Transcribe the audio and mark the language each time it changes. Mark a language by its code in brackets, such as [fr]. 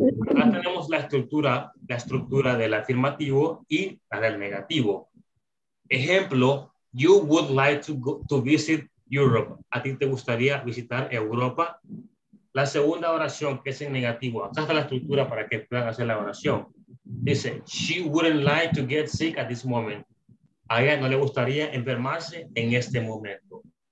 [es] Acá tenemos la estructura del afirmativo y la del negativo. [en] Ejemplo, you would like to go to visit Europe, [es] a ti te gustaría visitar Europa. La segunda oración, que es en negativo, acá está la estructura para que puedan hacer la oración. [en] Dice, she wouldn't like to get sick at this moment. [es] A ella no le gustaría enfermarse en este momento.